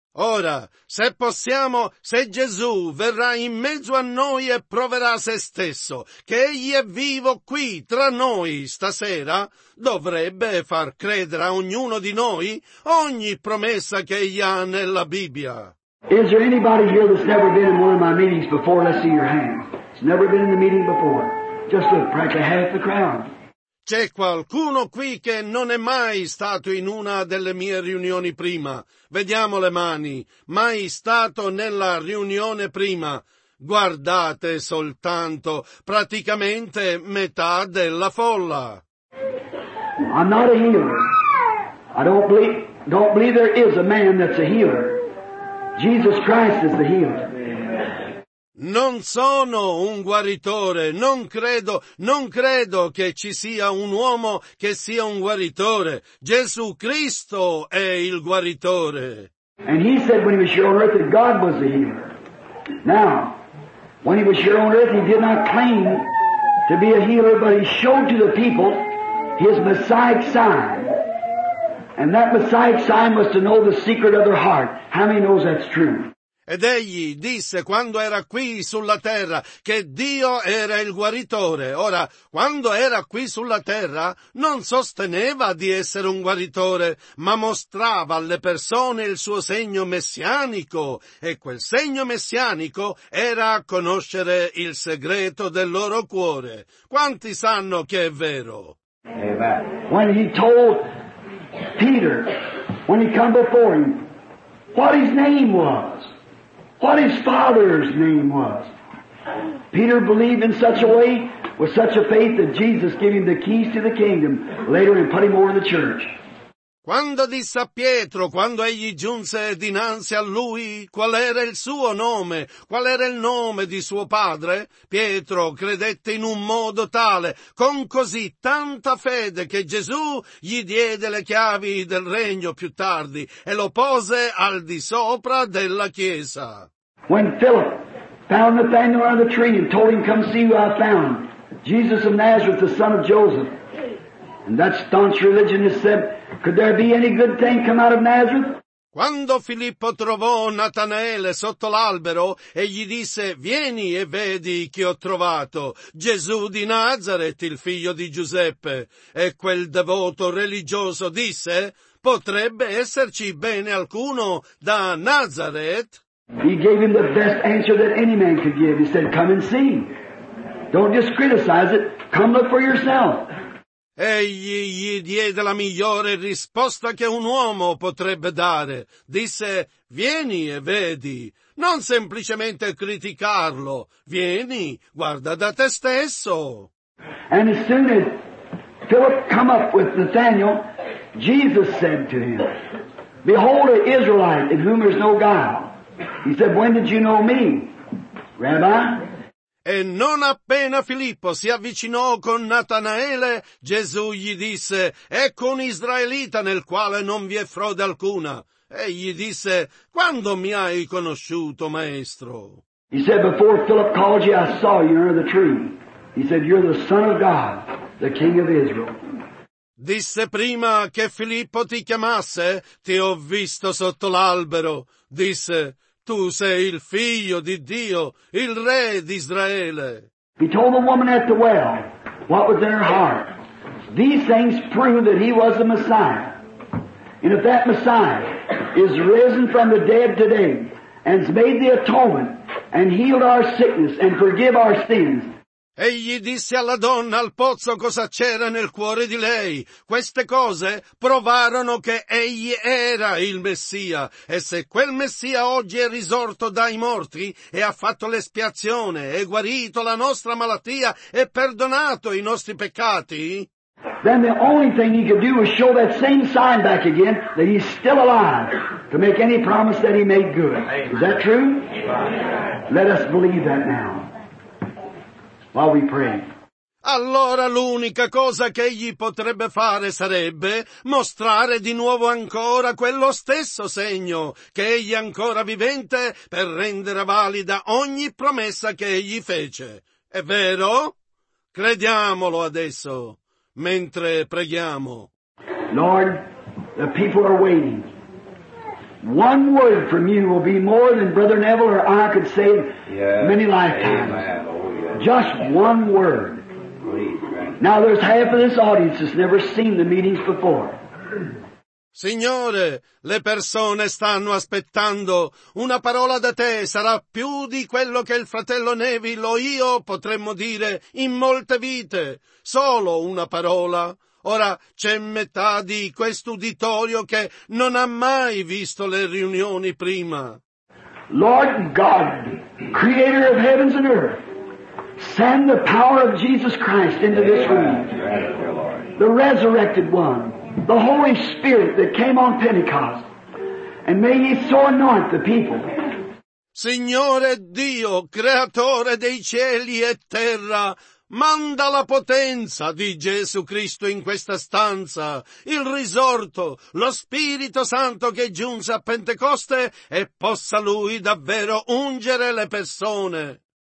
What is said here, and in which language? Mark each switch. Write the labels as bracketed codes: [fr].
[it] Ora, se possiamo, se Gesù verrà in mezzo a noi e proverà se stesso, che egli è vivo qui tra noi stasera, dovrebbe far credere a ognuno di noi ogni promessa che egli ha nella Bibbia. [en] Is there anybody here that's never been in one of my meetings before? Let's see your hand. It's never been in the meeting before. Just look, practically half the crowd. [it] C'è qualcuno qui che non è mai stato in una delle mie riunioni prima? Vediamo le mani. Mai stato nella riunione prima? Guardate soltanto, praticamente metà della folla. [en] I'm not a healer. I don't believe there is a man that's a healer. Jesus Christ is the healer. [it] Non sono un guaritore, non credo che ci sia un uomo che sia un guaritore. Gesù Cristo è il guaritore. [en] And he said when he was here on earth that God was the healer. Now, when he was here on earth, he did not claim to be a healer, but he showed to the people his Messiah sign. And that Messiah sign was to know the secret of their heart. How many knows that's true? [it] Ed egli disse quando era qui sulla terra che Dio era il guaritore. Ora, quando era qui sulla terra, non sosteneva di essere un guaritore, ma mostrava alle persone il suo segno messianico, e quel segno messianico era conoscere il segreto del loro cuore. Quanti sanno che è vero? [en] When he told Peter, when he came before him, what his name was. What his father's name was. Peter believed in such a way, with such a faith, that Jesus gave him the keys to the kingdom later and put him over the church. [it] Quando disse a Pietro, quando egli giunse dinanzi a lui, qual era il suo nome, qual era il nome di suo padre, Pietro credette in un modo tale, con così tanta fede, che Gesù gli diede le chiavi del regno più tardi e lo pose al di sopra della chiesa. [en] When Philip found Nathanael on the tree and told him, come see who I found, Jesus of Nazareth, the son of Joseph, and that staunch religionist said, could there be any good thing come out of Nazareth? [it] Quando Filippo trovò Natanaele sotto l'albero e gli disse, vieni e vedi chi ho trovato, Gesù di Nazareth, il figlio di Giuseppe. E quel devoto religioso disse, potrebbe esserci bene alcuno da Nazareth? [en] He gave him the best answer that any man could give. He said, come and see. Don't just criticize it. Come look for yourself. [it] Egli gli diede la migliore risposta che un uomo potrebbe dare. Disse, vieni e vedi, non semplicemente criticarlo. Vieni, guarda da te stesso. [en] And as soon as Philip come up with Nathanael, Jesus said to him, behold an Israelite in whom there is no guile. He said, when did you know me, Rabbi? [it] E non appena Filippo si avvicinò con Natanaele, Gesù gli disse, ecco un israelita nel quale non vi è frode alcuna. E gli disse, quando mi hai conosciuto, maestro? [en] He said, before Philip called you, I saw you under the tree. He said, you're the son of God, the king of Israel. [it] Disse, prima che Filippo ti chiamasse, ti ho visto sotto l'albero. Disse, tu sei il figlio di Dio, il re d'Israele. [en] He told the woman at the well what was in her heart. These things prove that he was the Messiah. And if that Messiah is risen from the dead today and has made the atonement and healed our sickness and forgive our sins. [it] Egli disse alla donna al pozzo cosa c'era nel cuore di lei. Queste cose provarono che egli era il Messia. E se quel Messia oggi è risorto dai morti e ha fatto l'espiazione e guarito la nostra malattia e perdonato i nostri peccati, [en] then the only thing he could do was show that same sign back again that he's still alive to make any promise that he made good. Is that true? Let us believe that now. While we pray. [it] Allora l'unica cosa che egli potrebbe fare sarebbe mostrare di nuovo ancora quello stesso segno, che egli è ancora vivente, per rendere valida ogni promessa che egli fece. È vero? Crediamolo adesso, mentre preghiamo. [en] Lord, the people are waiting. One word from you will be more than Brother Neville or I could say in many lifetimes. Amen. Just one word. Please. Now there's half of this audience that's never seen the meetings before. [it] Signore, le persone stanno aspettando. Una parola da te sarà più di quello che il fratello Neville o io potremmo dire in molte vite. Solo una parola. Ora c'è metà di quest'uditorio che non ha mai visto le riunioni prima. [en] Lord God, creator of heavens and earth, send the power of Jesus Christ into this room. The resurrected one. The Holy Spirit that came on Pentecost, and may He so anoint the people. [it] Signore Dio, creatore dei cieli e terra, manda la potenza di Gesù Cristo in questa stanza, il risorto, lo Spirito Santo che giunse a Pentecoste, e possa Lui davvero ungere le persone.